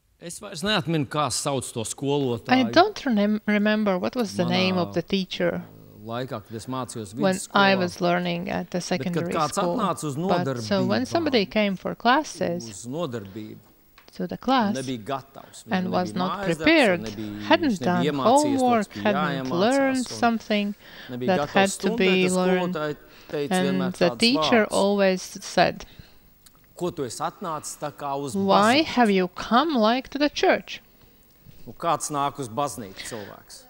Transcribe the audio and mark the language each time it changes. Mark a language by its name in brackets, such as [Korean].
[Latvian] Es vairs neatminu, kā sauc to skolotāju. [English] I don't remember what was the name of the teacher. [Latvian] Laikā, kad es mācījos vidusskolā. [English] When I was learning at the secondary school. [Latvian] Bet kāds atnāca uz nodarbību. [English] So when somebody came for classes. [Latvian] Uz nodarbību. [English] To the class [Latvian] nebija gatavs, [English] and was not prepared, hadn't done homework, hadn't learned something that had to be learned. And the teacher always said, [Latvian] Ko tu esi atnācis tā kā uz [English] Why have you come like to the church? [Latvian] Kāds nāk uz baznīcu cilvēks?